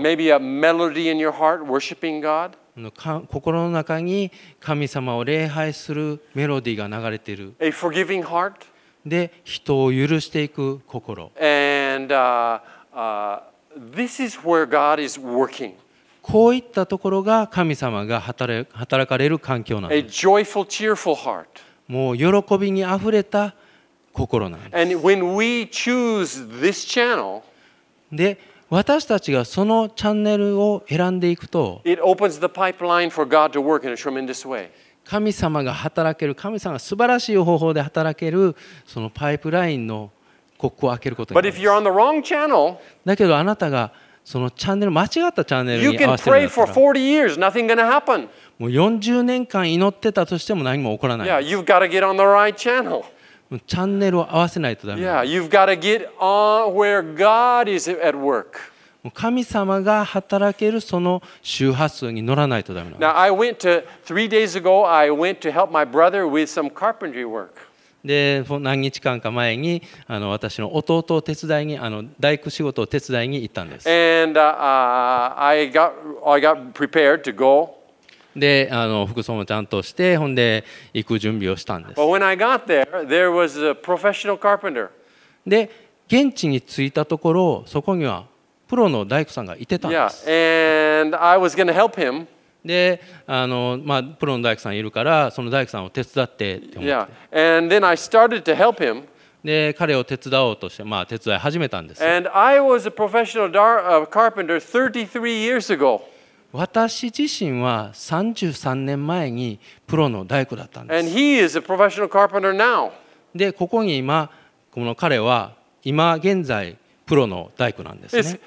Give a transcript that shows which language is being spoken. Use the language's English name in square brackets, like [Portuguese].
[English] Maybe a melody in your heart, worshiping God. [Japanese] 心の中に神様を礼拝するメロディーが流れている。 [English] A forgiving heart. [Japanese] で、人を許していく心。 [English] And this is where God is working. [Japanese] こういったところが神様が働かれる環境なんです。 [English] A joyful, cheerful heart. [Japanese] もう喜びにあふれた心なんです。 [English] And when we choose this channel. [Japanese] で、私たちがそのチャンネルを選んでいくと、 [English] It opens the pipeline for God to work in a tremendous way. [Japanese] 神様が働ける、神様が素晴らしい方法で働けるそのパイプラインのコックを開けることになります。 [English] But if you're on the wrong channel, [Japanese] だけどあなたがそのチャンネル、間違ったチャンネルに合わせるんだったら、 [English] You can pray for 40 years, nothing gonna happen. [Japanese] もう40年間祈ってたとしても何も起こらない。 [English] Yeah, you've got to get on the right channel. [Japanese] チャンネルを合わせないとダメ。 [English] Yeah, you've got to get on where God is at work. [Japanese] 神様が働けるその周波数に乗らないとダメ。 [English] Now, I went to 3 days ago. I went to help my brother with some carpentry work. [Japanese] で、何日間か前に私の弟を手伝いに大工仕事を手伝いに行ったんです。 [English] And I got prepared to go. [Japanese] で、服装もちゃんとして、ほんで行く準備をしたんです。 [English] But when I got there, there was a professional carpenter. [Japanese] で、現地に着いたところ、そこにはプロの大工さんがいてたんです。 [English] Yeah, and I was going to help him. [Japanese] で、プロの大工さんいるから、その大工さんを手伝ってって思って。 [English] Yeah, and then I started to help him. [Japanese] で、彼を手伝おうとして、手伝い始めたんです。 [English] And I was a professional carpenter 33 years ago. [Japanese] 私自身は33年前にプロの大工だったんです。 [English] And he is a professional carpenter now. [Japanese] で、ここに今、この彼は今現在プロの大工なんですね。